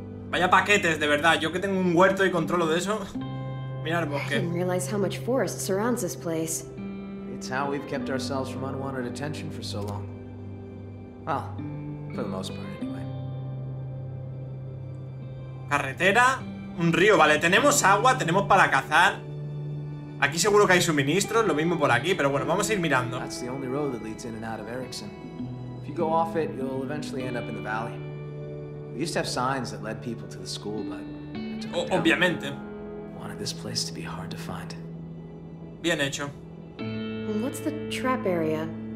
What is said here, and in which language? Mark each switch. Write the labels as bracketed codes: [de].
[es] Vaya paquetes, de verdad. Yo que tengo un huerto y controlo de eso. Mirar el bosque. [en] I didn't realize how much forest surrounds this place. It's how we've kept ourselves from unwanted attention for so long. Well, for the most part, anyway. [es] Carretera, un río. Vale, tenemos agua, tenemos para cazar. Aquí seguro que hay suministros, lo mismo por aquí, pero bueno, vamos a ir mirando. [en] That's the only road that leads in and out of Ericsson. If you go off it, you'll eventually end up in the valley. We used to have signs that led people to the school, but... [es] Obviamente. [en] I wanted this place to be hard to find. [es] Bien hecho. [en] What's the trap area?